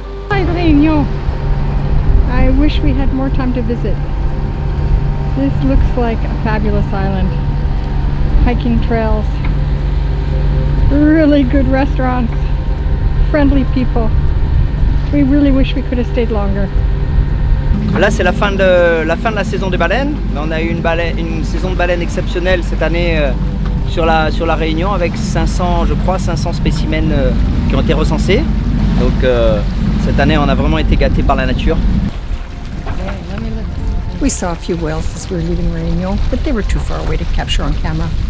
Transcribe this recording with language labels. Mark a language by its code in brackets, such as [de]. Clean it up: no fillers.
[en] Hi, Réunion. I wish we had more time to visit. This looks like a fabulous island. Hiking trails, really good restaurants, friendly people. We really wish we could have stayed longer. [fr] Là, c'est la fin de la saison des baleines. On a eu une saison de baleines exceptionnelle cette année sur la Réunion, avec 500 spécimens qui ont été recensés. Donc cette année, on a vraiment été gâté par la nature. [en] We saw a few whales as we were leaving Réunion, but they were too far away to capture on camera.